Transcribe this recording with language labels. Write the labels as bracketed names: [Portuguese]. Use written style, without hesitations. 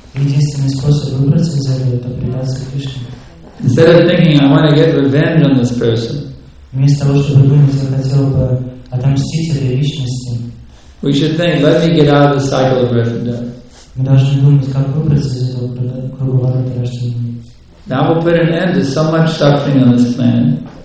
[English] Instead of thinking, I want to get revenge on this person, we should think, let me get out of the cycle of birth and death. [Russian] Мы должны думать, как выбраться из этого круговорота рождения. [English] That will put an end to so much suffering on this planet.